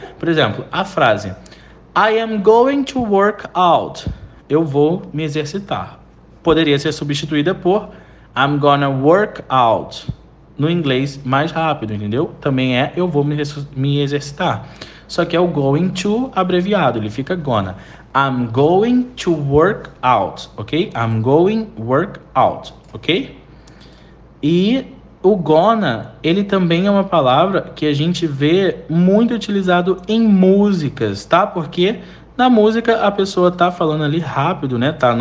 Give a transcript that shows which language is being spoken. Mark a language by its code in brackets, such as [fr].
[pt] Por exemplo, a frase [en] I am going to work out. [pt] Eu vou me exercitar. Poderia ser substituída por [en] I'm gonna work out. [pt] No inglês mais rápido, entendeu? Também é eu vou me exercitar. Só que é o going to abreviado, ele fica gonna. [en] I'm going to work out, ok? I'm going work out, ok? E [pt] O gona, ele também é uma palavra que a gente vê muito utilizado em músicas, tá? Porque na música a pessoa tá falando ali rápido, né?